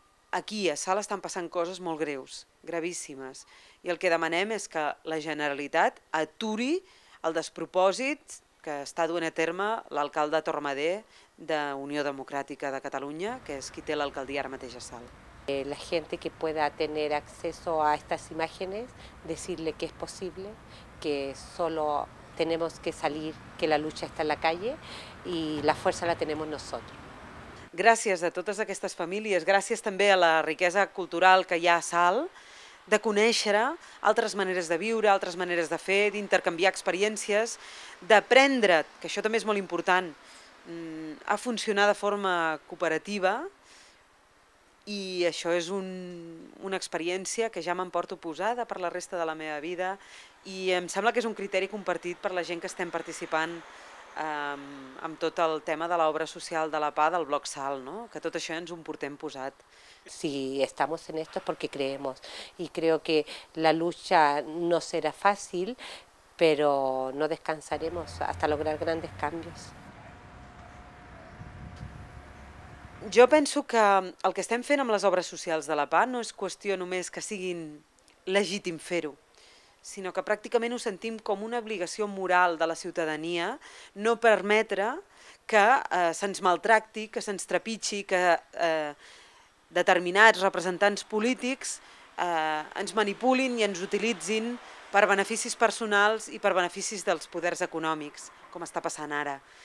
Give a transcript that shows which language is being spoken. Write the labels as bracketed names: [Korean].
[Catalan] Aquí a Salt estan passant coses molt greus, gravíssimes, i el que demanem és que la Generalitat aturi el despropòsit que està duent a terme l'alcalde Torremader de Unió Democràtica de Catalunya, que és qui té l'alcaldia ara mateix a Salt. [Spanish] La gente que pueda tener acceso a estas imágenes, decirle que es posible, que solo tenemos que salir, que la lucha está en la calle y la fuerza la tenemos nosotros. [Catalan] Gràcies a totes aquestes famílies, gràcies també a la riquesa cultural que hi ha a Salt, de conèixer altres maneres de viure, altres maneres de fer, d'intercanviar experiències, d'aprendre, que això també és molt important, a funcionar de forma cooperativa, i això és una experiència que ja m'emporto posada per la resta de la meva vida i em sembla que és un criteri compartit per la gent que estem participant amb tot el tema de l'obra social de la PA del Bloc Salt, no? Que tot això ens ho portem posat. [Spanish] Si estamos en esto es porque creemos y creo que la lucha no será fácil, pero no descansaremos hasta lograr grandes cambios. [Catalan] Jo penso que el que estem fent amb les obres socials de la PA no és qüestió només que siguin legítim fer-ho, sinó que pràcticament ho sentim com una obligació moral de la ciutadania no permetre que se'ns maltracti, que se'ns trepitgi, que determinats representants polítics ens manipulin i ens utilitzin per beneficis personals i per beneficis dels poders econòmics, com està passant ara.